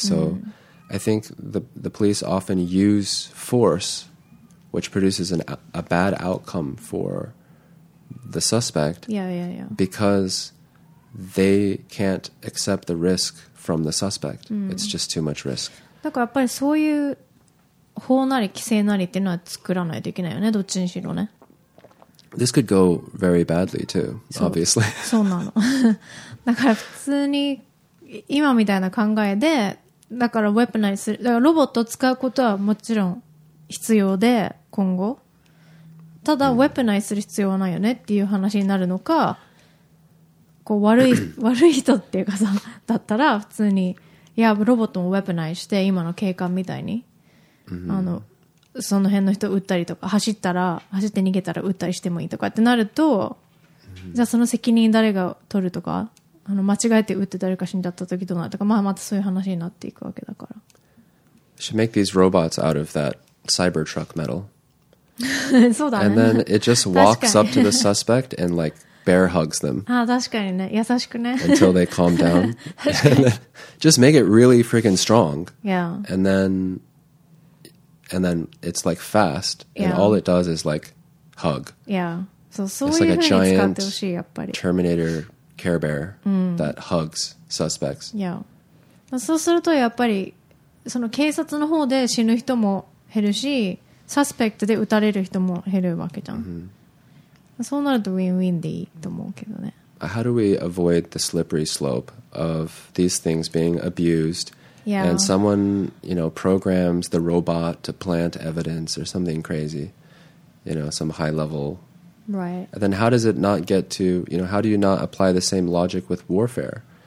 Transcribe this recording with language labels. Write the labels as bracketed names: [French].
[English] So I think the police often use force, which produces a bad outcome for the suspect. Yeah, yeah, yeah. Because they can't accept the risk from the suspect. It's just too much risk. [Japanese] だからやっぱりそういう法なり規制なりっていうのは作らないといけないよね、どっちにしろね。 [English] This could go very badly too, obviously. [Japanese] そうなの。だから普通に今みたいな考えで、だからウェポナイズする、だからロボットを使うことはもちろん必要で、今後。ただ、ウェポナイズする必要はないよねっていう話になるのか、こう悪い、悪い人っていうかさ、だったら普通に、いや、ロボットもウェポナイズして、今の警官みたいに、あの、その辺の人撃ったりとか、走って逃げたら撃ったりしてもいいとかってなると、じゃあその責任誰が取るとか、あの間違えて撃って誰か死んじゃった時どうなるとか、まあまたそういう話になっていくわけだから。 [English] Should make these robots out of that Cybertruck metal. [Japanese] そうだね。 [English] And then it just walks up to the suspect and like bear hugs them. [Japanese] ああ、確かにね。優しくね。 [English] until they calm down. just make it really freaking strong. Yeah. And then it's like fast. Yeah. And all it does is like hug. Yeah. So, so it's like a giant Terminator Care Bear that hugs suspects. Yeah. [Japanese] そうするとやっぱりその警察の方で死ぬ人も減るし、サスペクトで撃たれる人も減るわけじゃん。 Mm-hmm. そうなるとウィンウィンでいいと思うけどね。 [English] How do we avoid the slippery slope of these things being abused? Yeah. And someone, you know, programs the robot to plant evidence or something crazy, you know, some high level. Right. And then how does it not get to, you know, how do you not apply the same logic with warfare?